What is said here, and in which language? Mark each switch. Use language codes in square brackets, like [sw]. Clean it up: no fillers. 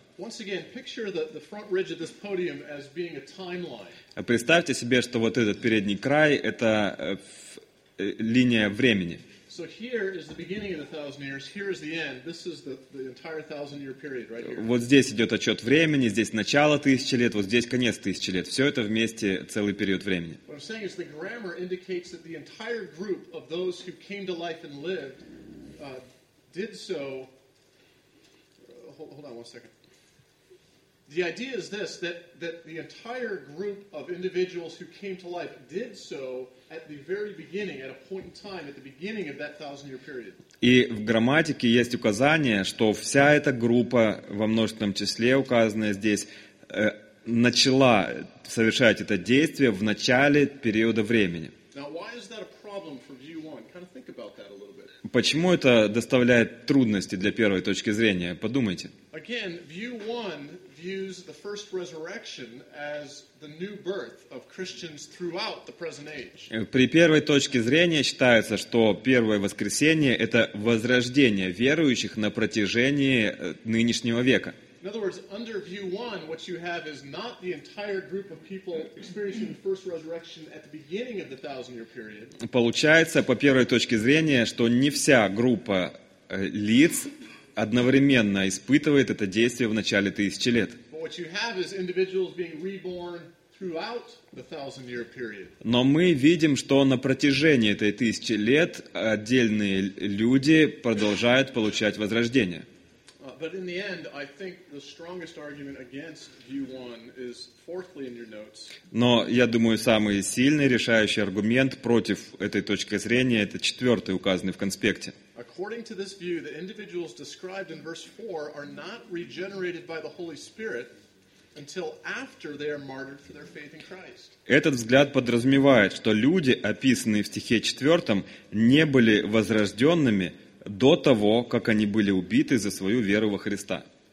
[en] Once again, picture the front ridge of this podium as being a timeline. [ru] Представьте себе, что вот этот передний край — это линия времени. [en] So here is the beginning of the thousand years. Here is the end. This is the entire thousand-year period, right here. [ru] Вот здесь идет отчет времени. Здесь начало тысячи лет. Вот здесь конец тысячи лет. Все это вместе целый период времени. [en] What I'm saying is the grammar indicates that the entire group of those who came to life and lived did so. Hold on one second. The idea is this: that the entire group of individuals who came to life did so at the very beginning, at a point in time, at the beginning of that thousand-year period. [ru] И в грамматике есть указание, что вся эта группа во множественном числе, указанная здесь, начала совершать это действие в начале периода времени. [en] Now, why is that a problem for view one? Kind of think about that a little bit. [ru] Почему это доставляет трудности для первой точки зрения? Подумайте. [en] Again, view one views the first resurrection as the new birth of Christians throughout the present age. [ru] При первой точке зрения считается, что первое воскресение — это возрождение верующих на протяжении нынешнего века. [en] In other words, under view one, what you have is not the entire group of people experiencing the first resurrection at the beginning of the thousand-year period. [ru] Получается, по первой точке зрения, что не вся группа лиц одновременно испытывает это действие в начале тысячи лет. [en] But what you have is individuals being reborn throughout the thousand-year period. [ru] Но мы видим, что на протяжении этой тысячи лет отдельные люди продолжают получать возрождение. [en] But in the end, I think the strongest argument against view one is fourthly in your notes. [ru] Но я думаю, самый сильный решающий аргумент против этой точки зрения — это четвертый, указанный в конспекте. [en] According to this view, the individuals described in verse 4 are not regenerated by the Holy Spirit until after they are martyred for their faith in Christ. [ru] Этот взгляд подразумевает, что люди, описанные в стихе 4, не были возрожденными до того, как они были убиты за свою веру во Христа.